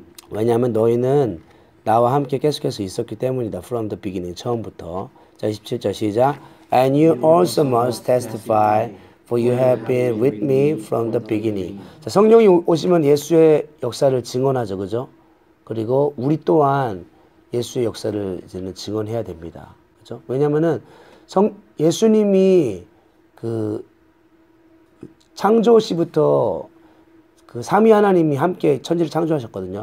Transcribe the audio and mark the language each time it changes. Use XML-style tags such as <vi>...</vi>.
<ko>왜냐하면 너희는 나와 함께 계속해서 있었기 때문이다.</ko> <en>From the beginning,</en> <ko>처음부터. 자, 27절 시작.</ko> <en>And you also must testify, for you have been with me from the beginning.</en> <ko>자, 성령이 오시면 예수의 역사를 증언하죠, 그죠? 그리고 우리 또한 예수의 역사를 이제는 증언해야 됩니다, 그죠? 왜냐하면은 예수님이 그 창조 시부터 그 삼위 하나님이 함께 천지를 창조하셨거든요.</ko>